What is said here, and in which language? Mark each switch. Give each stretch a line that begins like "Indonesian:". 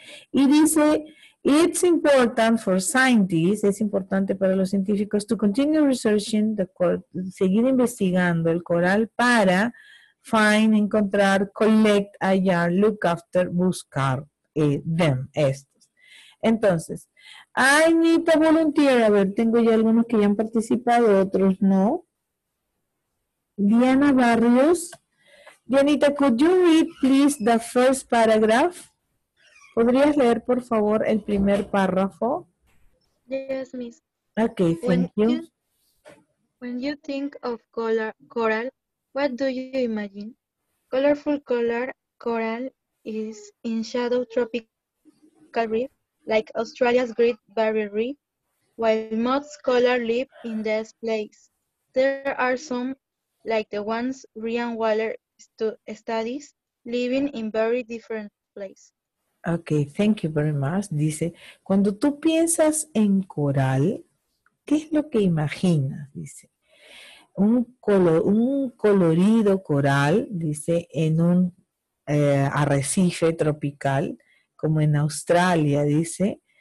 Spanish: Y dice,
English: it's important for scientists,
Spanish: es importante para los científicos
English: to continue researching the coral,
Spanish: seguir investigando el coral para
English: find,
Spanish: encontrar,
English: collect,
Spanish: hallar,
English: look after,
Spanish: buscar,
English: them,
Spanish: estos. Entonces,
English: I need a volunteer.
Spanish: A ver, tengo ya algunos que ya han participado, otros no. Diana Barrios.
English: Dianita, could you read, please, the first paragraph?
Spanish: ¿Podrías leer, por favor, el primer párrafo?
English: Yes, miss. Okay, when you think of coral, what do you imagine? Colorful coral is in shadow tropical reef, like Australia's Great Barrier Reef, while most coral live in this place. There are some, like the ones Ryan Waller studies, living in very different places. Okay, thank you very much.
Spanish: Dice, cuando tú piensas en coral, ¿qué es lo que imaginas? Dice. Un colorido coral, dice, en un arrecife tropical, como en Australia, dice.